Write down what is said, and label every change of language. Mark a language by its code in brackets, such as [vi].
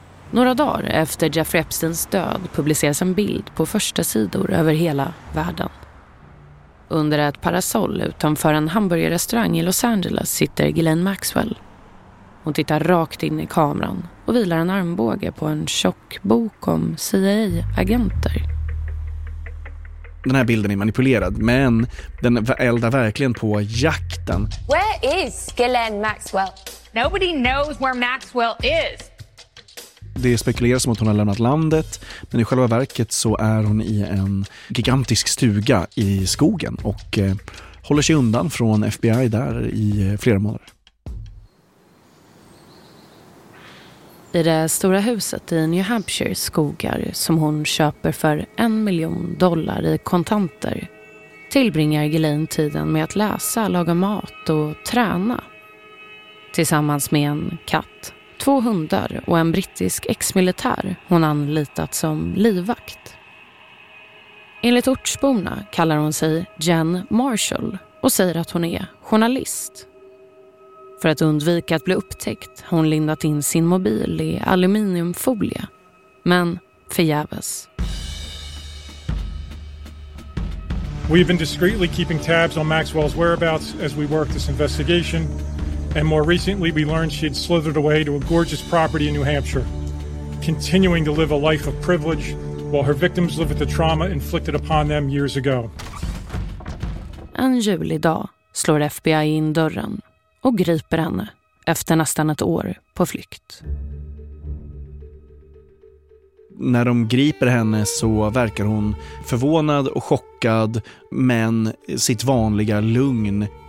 [sv] Några dagar efter Jeffrey Epsteins död publiceras en bild på första sidor över hela världen. Under ett parasoll utanför en hamburgerrestaurang i Los Angeles sitter Ghislaine Maxwell. Hon tittar rakt in i kameran och vilar en armbåge på en tjock bok om CIA-agenter. den här bilden är manipulerad, men den eldar verkligen på jakten. [en] Where is Ghislaine Maxwell? Nobody knows where Maxwell is. [sv] Det spekuleras som att hon har lämnat landet, men i själva verket så är hon i en gigantisk stuga i skogen och håller sig undan från FBI där i flera månader. I det stora huset i New Hampshire skogar som hon köper för $1 million i kontanter tillbringar Ghislaine tiden med att läsa, laga mat och träna. Tillsammans med en katt, två hundar och en brittisk ex-militär hon anlitat som livvakt. Enligt ortsborna kallar hon sig Jen Marshall och säger att hon är journalist. För att undvika att bli upptäckt har hon lindat in sin mobil i aluminiumfolie. Men förgäves. [en] We've been discreetly keeping tabs on Maxwell's whereabouts as we work this investigation. And more recently we learned she'd slithered away to a gorgeous property in New Hampshire, continuing to live a life of privilege while her victims live with the trauma inflicted upon them years ago. [sv] En julidag slår FBI in dörren och griper henne efter nästan ett år på flykt. När de griper henne så verkar hon förvånad och chockad, men sitt vanliga lugn.